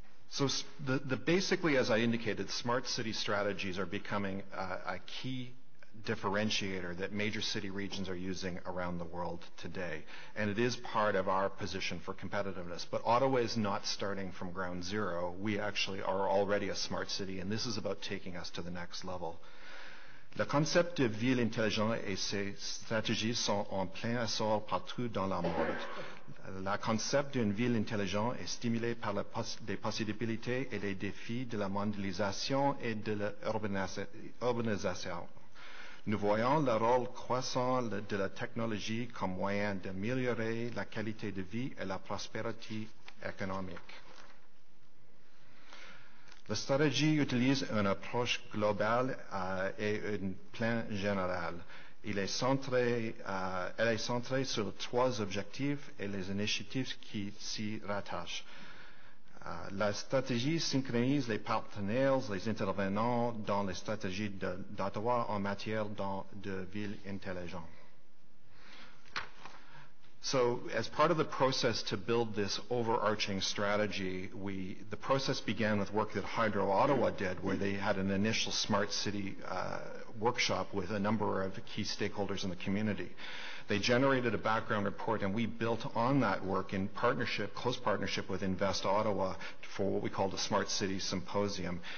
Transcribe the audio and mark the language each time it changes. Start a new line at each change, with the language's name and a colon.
English: So basically, as I indicated, smart city strategies are becoming a key differentiator that major city regions are using around the world today. And it is part of our position for competitiveness. But Ottawa is not starting from ground zero. We actually are already a smart city, and this is about taking us to the next level.
French: Le concept de ville intelligente et ses stratégies sont en plein essor partout dans le monde. Le concept d'une ville intelligente est stimulé par les possibilités et les défis de la mondialisation et de l'urbanisation. Nous voyons le rôle croissant de la technologie comme moyen d'améliorer la qualité de vie et la prospérité économique. La stratégie utilise une approche globale et une plan général. Elle est centrée sur trois objectifs et les initiatives qui s'y rattachent. La stratégie synchronise les partenaires, les intervenants dans les stratégies d'Ottawa en matière de ville intelligente.
English: So as part of the process to build this overarching strategy, the process began with work that Hydro Ottawa did, where they had an initial smart city workshop with a number of key stakeholders in the community. They generated a background report, and we built on that work in partnership, close partnership with Invest Ottawa for what we called a smart city symposium.